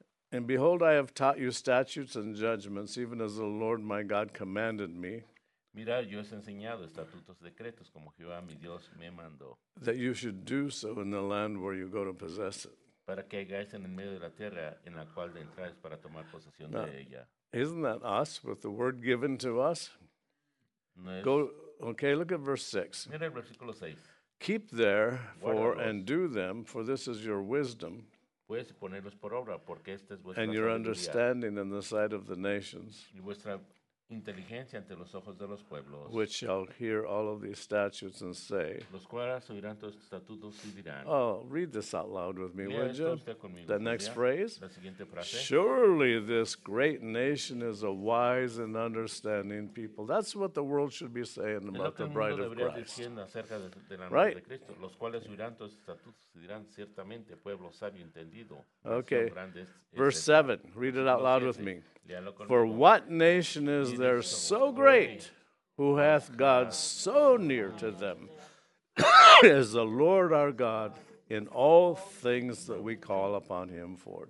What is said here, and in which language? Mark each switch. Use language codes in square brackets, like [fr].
[en] And behold, I have taught you statutes and judgments, even as the Lord my God commanded me. [es] Mira, yo he enseñado estatutos, decretos, como Jehová mi Dios me mandó. [en] That you should do so in the land where you go to possess it. [es] Para que hagáis en el medio de la tierra en la cual entráis para tomar posesión de ella. [en] Isn't that us with the word given to us? Go. Okay, look at verse 6. [es] Mira el versículo 6. [en] Keep therefore and do them, for this is your wisdom. [es] Puedes ponerlos por obra, porque esta es vuestra sabiduría. [en] And your understanding in the sight of the nations. [es] Y vuestra inteligencia ante los ojos de los pueblos. [en] Which shall hear all of these statutes and say. [es] Los cuales oirán todos estos estatutos y dirán. [en] Oh, read this out loud with me, would you? [es] Usted conmigo, [en] the next phrase. [es] La siguiente frase. [en] Surely this great nation is a wise and understanding people. That's what the world should be saying about the bride of Christ. Right? [es] De Cristo, los cuales oirán todos estos estatutos y dirán ciertamente pueblo sabio entendido. [en] Okay. Verse 7. Read it out loud with me. For what nation is there so great who hath God so near to them as the Lord our God in all things that we call upon him for?